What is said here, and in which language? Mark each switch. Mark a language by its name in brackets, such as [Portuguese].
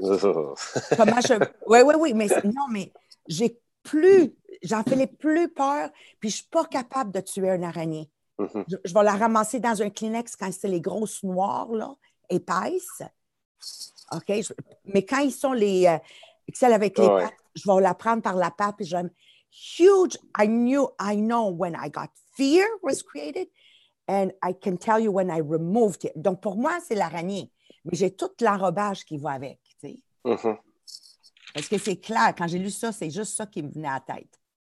[French] Comment je... Oui, oui, oui, mais non, mais j'ai plus, j'en fais les plus peur, puis je ne suis pas capable de tuer une araignée. Mm-hmm. Je vais la ramasser dans un Kleenex quand c'est les grosses noires, là, épaisses. OK? Mais quand ils sont les. Celles avec les pattes, je vais la prendre par la patte, puis je vais. [English] Huge, I know when I got fear was created, and I can tell you when I removed it. [French] Donc pour moi, c'est l'araignée. Mais j'ai tout l'enrobage qui va avec, tu sais. Mm-hmm. Parce que c'est clair, quand j'ai lu ça, c'est juste ça qui me venait à la tête.